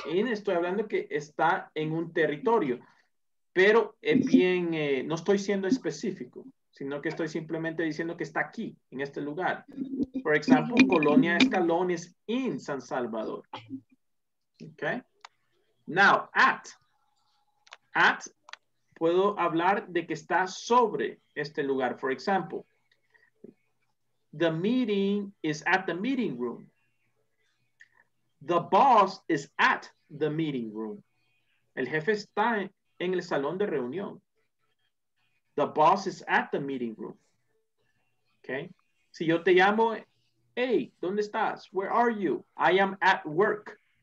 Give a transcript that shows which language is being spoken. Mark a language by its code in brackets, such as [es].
[es] In, estoy hablando que está en un territorio, pero es bien, no estoy siendo específico, sino que estoy simplemente diciendo que está aquí, en este lugar. [en] For example, Colonia Escalón is in San Salvador. Okay. Now, at. [es] At, puedo hablar de que está sobre este lugar. [en] For example, the meeting is at the meeting room. The boss is at the meeting room. [es] El jefe está en el salón de reunión. [en] The boss is at the meeting room. Okay. [es] Si yo te llamo, hey, ¿dónde estás? [en] Where are you? I am at work.